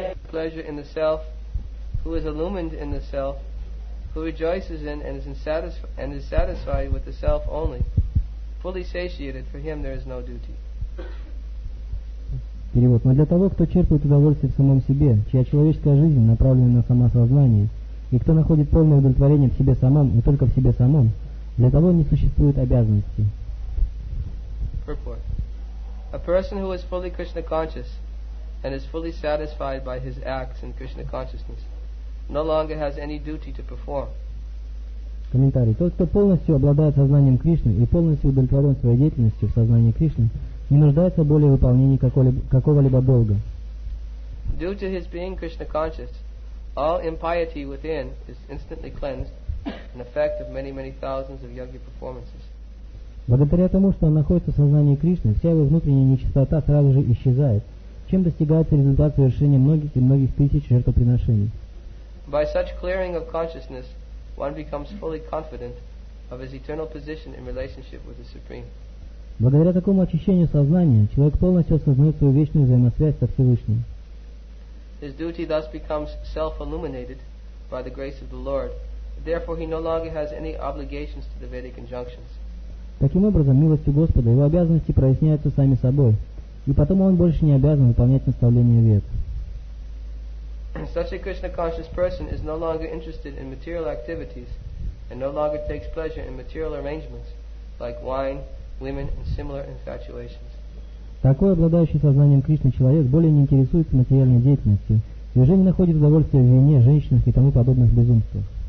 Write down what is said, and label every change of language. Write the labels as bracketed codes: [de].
[en] Pleasure in the self, who is illumined in the self, who rejoices in and is satisfied with the self only. Fully satiated, for him there is no duty. [ru] Перевод. Но для того, кто черпает удовольствие в самом себе, чья человеческая жизнь направлена на самосознание, и кто находит полное удовлетворение в себе самом и только в себе самом, для того не существует обязанности. [en] Purport. A person who is fully Krishna conscious and is fully satisfied by his acts in Krishna consciousness no longer has any duty to perform. [ru] Комментарий. Тот, кто полностью обладает сознанием Кришны и полностью удовлетворен своей деятельностью в сознании Кришны, не нуждается более в выполнении какого-либо долга. [en] Due to his being Krishna conscious, all impiety within is instantly cleansed, an effect of many, many thousands of yogi performances. [ru] Благодаря тому, что он находится в сознании Кришны, вся его внутренняя нечистота сразу же исчезает, чем достигается результат совершения многих и многих тысяч жертвоприношений. [en] By such clearing of consciousness, one becomes fully confident of his eternal position in relationship with the Supreme. [ru] Благодаря такому очищению сознания, человек полностью осознает свою вечную взаимосвязь со Всевышним. [en] His duty thus becomes self-illuminated by the grace of the Lord. Therefore, he no longer has any obligations to the Vedic injunctions. [ru] Таким образом, милостью Господа, его обязанности проясняются сами собой, и потом он больше не обязан выполнять наставления Вед. [en] Such a Krishna-conscious person is no longer interested in material activities and no longer takes pleasure in material arrangements like wine, women and similar infatuations. [ru] Такой обладающий сознанием Кришны человек более не интересуется материальной деятельностью и уже не находит удовольствия в вине, женщинах и тому подобных безумствах.